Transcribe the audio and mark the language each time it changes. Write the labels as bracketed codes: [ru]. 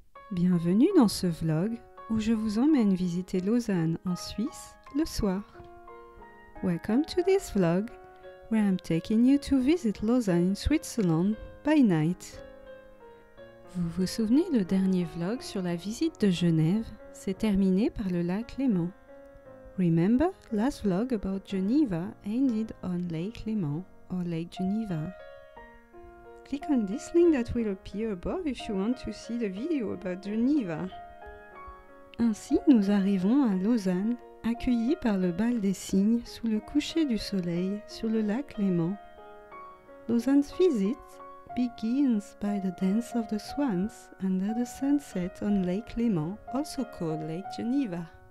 [fr] Bienvenue dans ce vlog où je vous emmène visiter Lausanne en Suisse le soir. [en] Welcome to this vlog where I'm taking you to visit Lausanne in Switzerland by night. [fr] Vous vous souvenez, le dernier vlog sur la visite de Genève s'est terminé par le lac Léman. [en] Remember, last vlog about Geneva ended on Lake Léman or Lake Geneva. Click on this link that will appear above if you want to see the video about Geneva. [fr] Ainsi, nous arrivons à Lausanne, accueillis par le bal des cygnes sous le coucher du soleil sur le lac Léman. [en] Lausanne's visit begins by the dance of the swans under the sunset on Lake Léman, also called Lake Geneva.